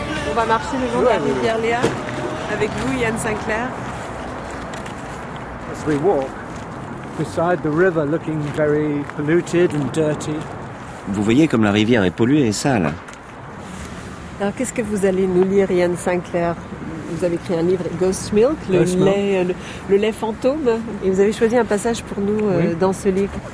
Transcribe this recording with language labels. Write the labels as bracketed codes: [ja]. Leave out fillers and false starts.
[fr] On va marcher le long de la rivière Léa avec vous, Yann Sinclair. [en] As we walk beside the river, looking very polluted and dirty. [fr] Vous voyez comme la rivière est polluée et sale. Alors, qu'est-ce que vous allez nous lire, Yann Sinclair? Vous avez écrit un livre, Ghost Milk, le lait fantôme. Et vous avez choisi un passage pour nous dans ce livre.